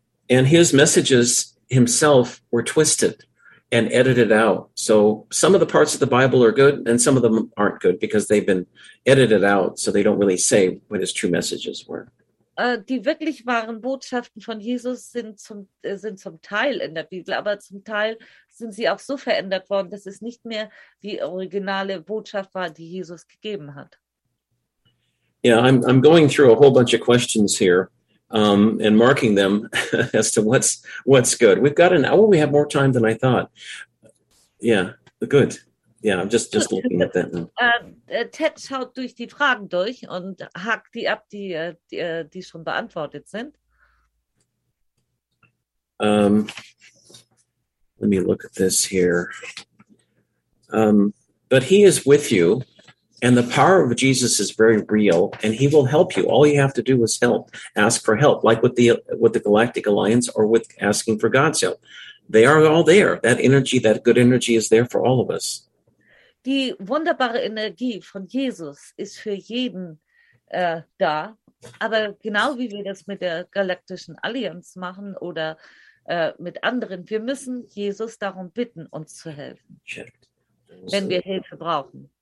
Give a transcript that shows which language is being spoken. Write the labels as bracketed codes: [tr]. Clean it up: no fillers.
[en] And his messages himself were twisted and edited out. So some of the parts of the Bible are good and some of them aren't good because they've been edited out, so they don't really say what his true messages were. [de] Die wirklich wahren Botschaften von Jesus sind zum Teil in der Bibel, aber zum Teil sind sie auch so verändert worden, dass es nicht mehr die originale Botschaft war, die Jesus gegeben hat. [en] Yeah, I'm going through a whole bunch of questions here and marking them as to what's good. We've got we have more time than I thought. Yeah, good. Yeah, I'm just looking at that. [de] Ted schaut durch die Fragen durch und hakt die ab, die schon beantwortet sind. [en] Let me look at this here. But he is with you, and the power of Jesus is very real, and he will help you. All you have to do is help, ask for help, like with the Galactic Alliance or with asking for God's help. They are all there. That energy, that good energy is there for all of us. [de] Die wunderbare Energie von Jesus ist für jeden da, aber genau wie wir das mit der Galaktischen Allianz machen oder mit anderen, wir müssen Jesus darum bitten, uns zu helfen, wenn wir Hilfe brauchen.